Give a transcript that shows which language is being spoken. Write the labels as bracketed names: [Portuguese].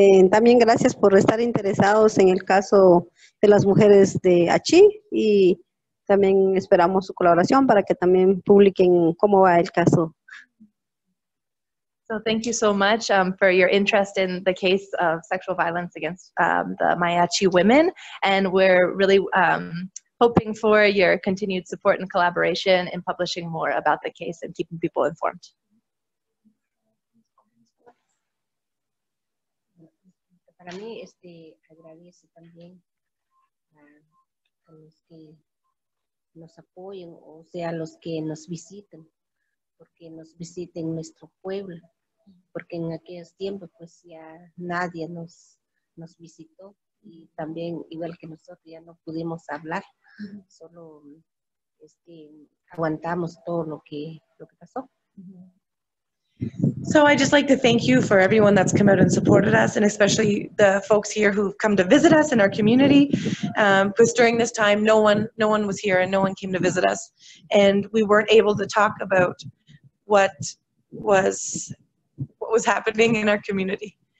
[Spanish] También gracias por estar interesados en el caso de las mujeres de Achí, y también esperamos su colaboración para que también publiquen cómo va el caso. [English] So thank you so much for your interest in the case of sexual violence against the Maya Achi women. And we're really hoping for your continued support and collaboration in publishing more about the case and keeping people informed. [Spanish] Para mí, agradezco también a los que nos apoyen, o sea, los que nos visiten, porque nos visiten nuestro pueblo. Porque en aquellos tiempos pues ya nadie nos visitó, y también igual que nosotros ya no pudimos hablar, solo aguantamos todo lo que pasó. [English] So I just like to thank you for everyone that's come out and supported us, and especially the folks here who've come to visit us in our community, because during this time no one was here and no one came to visit us, and we weren't able to talk about what was happening in our community.